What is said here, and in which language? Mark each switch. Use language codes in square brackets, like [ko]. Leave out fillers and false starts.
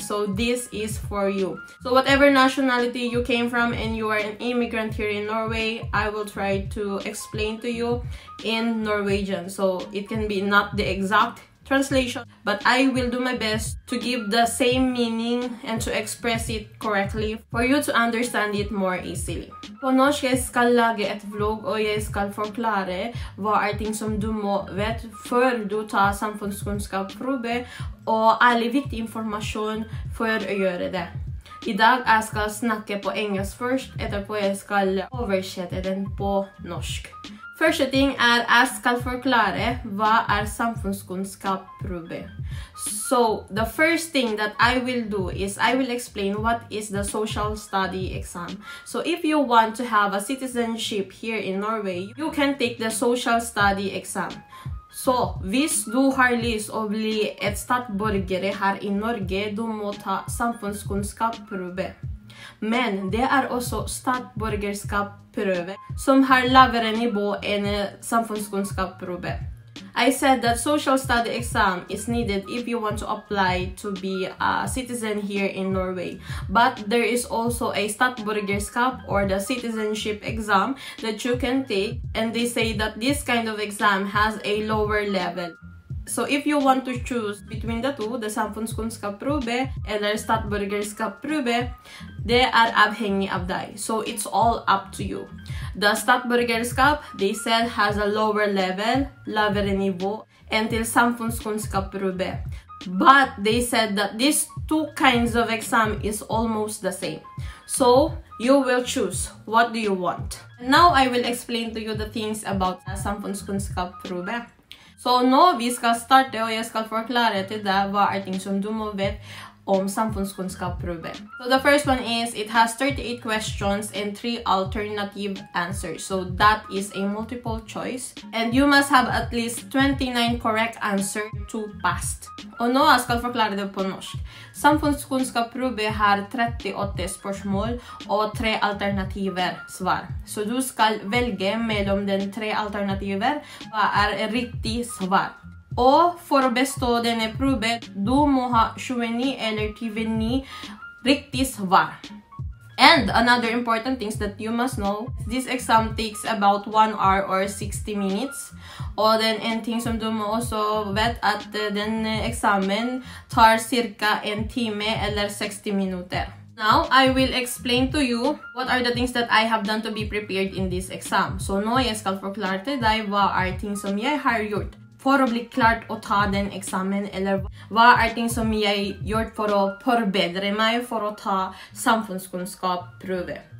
[en] So this is for you. So whatever nationality you came from and you are an immigrant here in Norway, I will try to explain to you in Norwegian. So it can be not the exact translation, but I will do my best to give the same meaning and to express it correctly for you to understand it more easily. [no] På norsk jeg skal lage et vlogg og jeg skal forklare hva er ting som du må vite før du tar samfunnskunnskapsprøve og alle viktig informasjon for å gjøre det. I dag jeg skal snakke på engelsk først, etterpå jeg skal oversette den på norsk. Første ting jeg skal forklare hva samfunnskunnskapsprøve. [en] So, the first thing that I will do is I will explain what is the social study exam. So, if you want to have a citizenship here in Norway, you can take the social study exam. [no] So, hvis du har lyst å bli et statsborgere her i Norge, du må ta samfunnskunnskapsprøve. Men det også statsborgerskapsprøve som har lavere nivå enn samfunnskunnskapsprøve. [en] I said that social study exam is needed if you want to apply to be a citizen here in Norway. But there is also a statsborgerskap or the citizenship exam that you can take. And they say that this kind of exam has a lower level. So if you want to choose between the two, the samfunnskunnskapsprøve and the statsborgerskapsprøve, they are [no] avhengig av deg. [en] So it's all up to you. The statsborgerskap, they said, has a lower level, [no] lavere nivå, [en] until samfunnskunnskapsprøve. But they said that these two kinds of exam is almost the same. So you will choose what do you want. Now I will explain to you the things about samfunnskunnskapsprøve. So now we [no] skal starte og jeg skal forklare til deg hva ting som du må vite om samfunnskunnskapsprøve. [en] So the first one is it has 38 questions and 3 alternative answers. So that is a multiple choice and you must have at least 29 correct answers to pass. [no] Og nå jeg skal forklare det på norsk. Samfunnskunnskapsprøve har 38 spørsmål og 3 alternative svar. Så du skal velge mellom de 3 alternative hva riktig svar. Og for å bestå denne prøve, du må ha 29 eller 29 riktig svar. [en] And another important thing that you must know, this exam takes about 1 hour or 60 minutes. [no] Og den en ting som du må også vite at den eksamen tar cirka en time eller 60 minutter. [en] Now, I will explain to you what are the things that I have done to be prepared in this exam. [no] So nå jeg skal forklare til deg hva ting som jeg har gjort for å bli klart å ta den eksamen, eller hva ting som jeg har gjort for å forbedre meg for å ta samfunnskunnskapsprøve.